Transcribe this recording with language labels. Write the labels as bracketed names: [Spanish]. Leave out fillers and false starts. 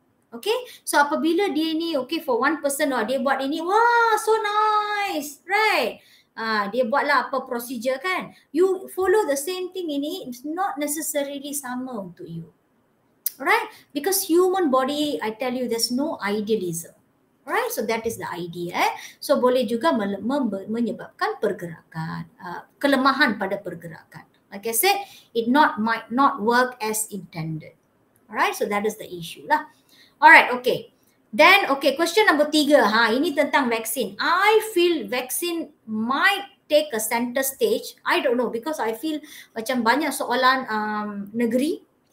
[English] Okay, so [Malay] apabila dia ni, [English] okay, for one person, oh, [Malay] dia buat ini, [English] wah, so nice, right? [Malay] Dia buatlah apa [English] procedure kan. You follow the same thing ini, it's not necessarily [Malay] sama untuk [English] you. Alright? Because human body, I tell you, there's no idealism. Alright? So that is the idea. Eh? [Malay] So boleh juga menyebabkan pergerakan. Kelemahan pada pergerakan. [English] Like I said, it not might not work as intended. Alright? So that is the issue lah. Alright, okay. Then, okay, question number 3. Ha, [Malay] ini tentang vaksin. [English] I feel vaccine might take a center stage. I don't know because I feel [Malay] macam banyak soalan negeri.